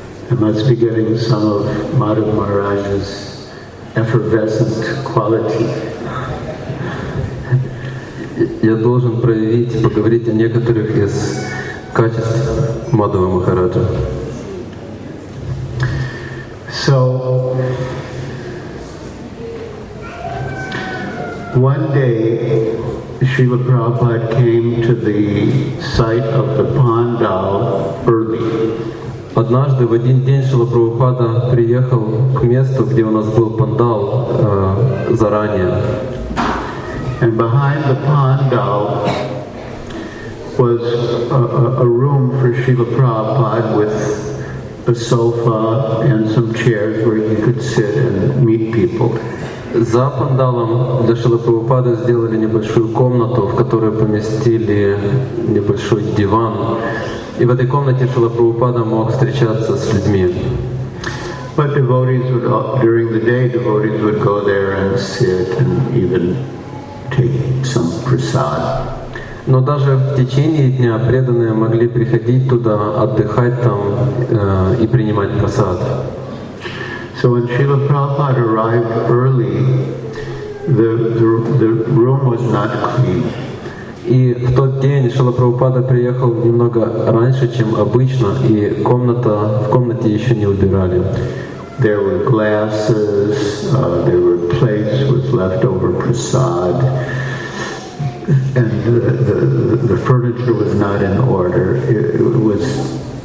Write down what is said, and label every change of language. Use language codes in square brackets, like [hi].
[en] Must be getting some of Madhav Maharaj's effervescent quality. [ru] Я должен проявить, поговорить о некоторых из качеств Мадхава Махараджа. [en] So one day Srila Prabhupada came to the site of the Pandal early. [ru] Однажды в один день Шрила Прабхупада приехал к месту, где у нас был пандал заранее. [en] And behind the pandal was a room for Srila Prabhupada with a sofa and some chairs where he could sit and meet people. [ru] За пандалом для Шрила Прабхупады сделали небольшую комнату, в которой поместили небольшой диван. И в этой комнате Шрила Прабхупада мог встречаться с людьми. [en] But devotees would, during the day, devotees would go there and sit and even take some prasad. [ru] Но даже в течение дня преданные могли приходить туда, отдыхать там и принимать прасад. [en] So when Srila Prabhupada arrived early, the room was not clean. [ru] И в тот день Шрила Прабхупада приехал немного раньше, чем обычно, и комната, в комнате еще не убирали. [en] There were glasses, there were plates with leftover prasad, and the furniture was not in order. It was